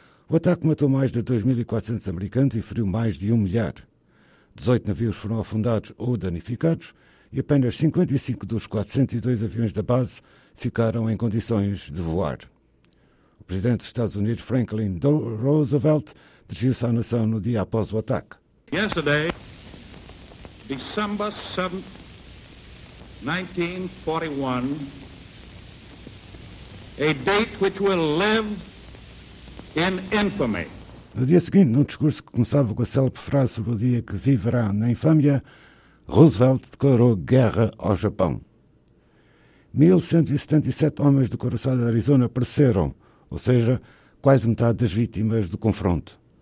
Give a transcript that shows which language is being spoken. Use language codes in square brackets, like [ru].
[pt] O ataque matou mais de 2.400 americanos e feriu mais de 1 milhar. 18 navios foram afundados ou danificados e apenas 55 dos 402 aviões da base ficaram em condições de voar. O presidente dos Estados Unidos, Franklin Roosevelt, dirigiu-se à nação no dia após o ataque. [en] Yesterday, December 7, 1941, a date which will live in infamy. [pt] No dia seguinte, num discurso que começava com a célebre frase sobre o dia que viverá na infâmia, Roosevelt declarou guerra ao Japão. 1.177 homens do Coroçado de Arizona pereceram, ou seja, quase metade das vítimas do confronto.